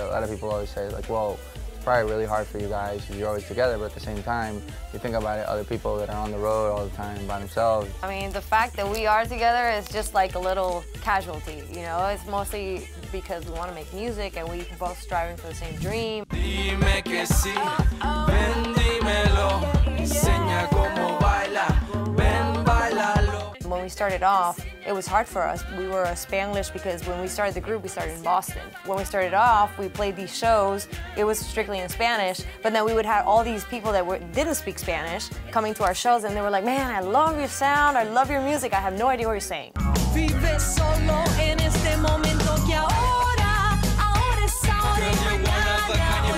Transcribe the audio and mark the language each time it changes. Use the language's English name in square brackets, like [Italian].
[English] A lot of people always say, like, well, it's probably really hard for you guys because you're always together, but at the same time, you think about it, other people that are on the road all the time by themselves. I mean, the fact that we are together is just like a little casualty, you know? It's mostly because we want to make music and we're both striving for the same dream. [Spanish] Dime que sí, ven dímelo, enseña cómo baila, ven bailalo. [English] When we started off, it was hard for us. We were a Spanglish because when we started the group, we started in Boston. When we started off, we played these shows. It was strictly in Spanish, but then we would have all these people that didn't speak Spanish coming to our shows, and they were like, man, I love your sound. I love your music. I have no idea what you're saying. [Spanish] Vive solo en este momento que ahora, ahora es ahora.